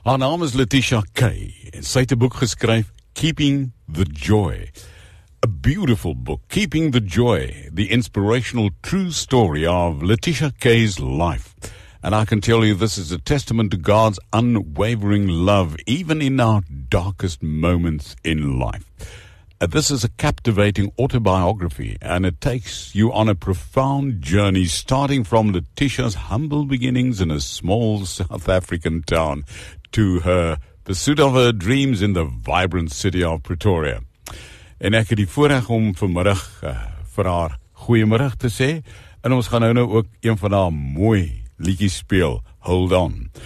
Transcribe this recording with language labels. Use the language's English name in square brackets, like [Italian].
[Afrikaans] Haar naam is Laetitia Kae en sy het 'n boek geskryf, Keeping the Joy. [English] A beautiful book, Keeping the Joy, the inspirational true story of Laetitia Kae's life. And I can tell you this is a testament to God's unwavering love, even in our darkest moments in life. This is a captivating autobiography, and it takes you on a profound journey, starting from Laetitia's humble beginnings in a small South African town to her pursuit of her dreams in the vibrant city of Pretoria. [Afrikaans] En ek het die voorreg om vanmiddag vir haar goeiemiddag te sê, en ons gaan nou ook een van haar mooi liedjies speel, Hold On.